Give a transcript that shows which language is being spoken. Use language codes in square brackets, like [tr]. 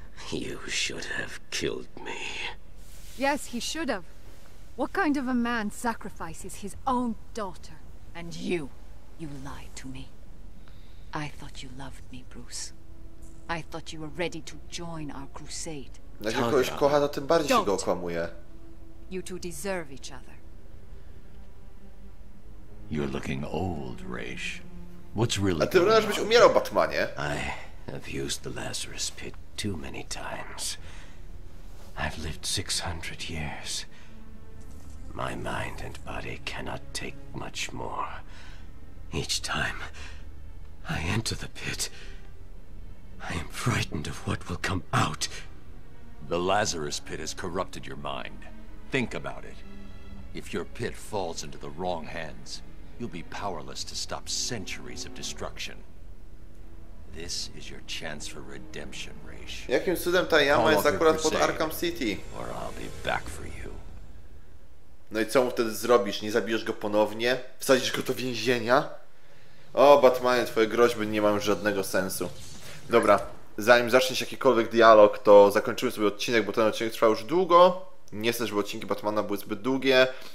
[en] You should have killed me. Yes, he should have. What kind of a man sacrifices his own daughter? And you. You lied to me. I thought you loved me, Bruce. I thought you were ready to join our crusade. [pl] Jak go kogoś kocha, to tym bardziej się go okłamuje. [en] You two deserve each other. You're looking old, Ra's. What's really [pl] a ty wyglądasz, byś umierał, Batmanie. [en] I have used the Lazarus Pit too many times. I've lived 600 years. My mind and body cannot take much more. Each time I enter the pit, I am frightened of what will come out. The Lazarus Pit has corrupted your mind. Think about it. If your pit falls into the wrong hands, you'll be powerless to stop centuries of destruction. This is your chance for redemption, Ra's. [pl] Jakim cudem ta jama jest akurat pod Arkham City? [en] Or I'll be back for you. [pl] No i co mu wtedy zrobisz? Nie zabijesz go ponownie? Wsadzisz go do więzienia? O, Batmanie, twoje groźby nie mają żadnego sensu. Dobra, zanim zaczniesz jakikolwiek dialog, to zakończymy sobie odcinek, bo ten odcinek trwa już długo. Nie chcę, żeby odcinki Batmana były zbyt długie.